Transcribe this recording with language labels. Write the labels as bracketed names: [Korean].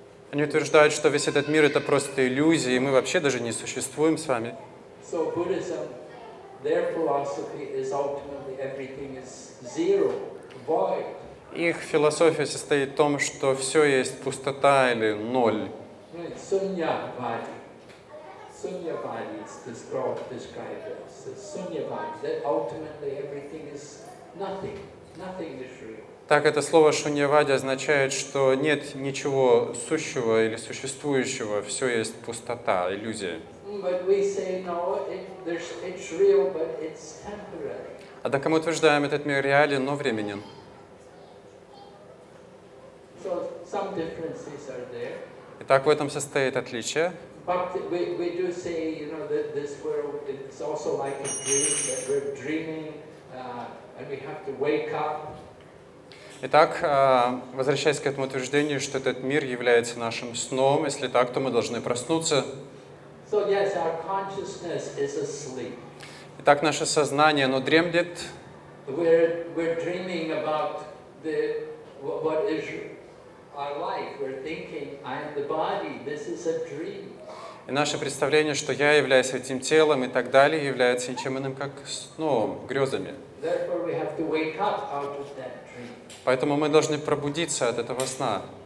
[Russian] Они утверждают, что весь этот мир — это просто иллюзия, и мы вообще даже не существуем с вами. [English] So Buddhism, their philosophy is ultimately everything is zero, void. [Russian] Их философия состоит в том, что все есть пустота или ноль. [English] Сунья-вади. Сунья-вади is described as сунья-вади, that ultimately everything is nothing. Nothing is real. [Russian] Так это слово шуньявади означает, что нет ничего сущего или существующего, все есть пустота, иллюзия. [English] But we say, no, it's real, but it's temporary. [Russian] Однако мы утверждаем, этот мир реален, но временен. [English] So some differences are there. [Russian] Итак, в этом состоит отличие. [English] But we do say, you know, that this world is also like a dream, that we're dreaming, and we have to wake up. [Russian] Итак, возвращаясь к этому утверждению, что этот мир является нашим сном, если так, то мы должны проснуться. [English] So, yes, our consciousness is asleep. [Russian] Итак, наше сознание, оно дремлет. [English] We're dreaming about what is our life. We're thinking, I am the body, this is a dream. [Russian] И наше представление, что я являюсь этим телом и так далее, является ничем иным, как сном, грезами. [English] Therefore, we have to wake up out of that dream. [Russian] Поэтому мы должны пробудиться от этого сна.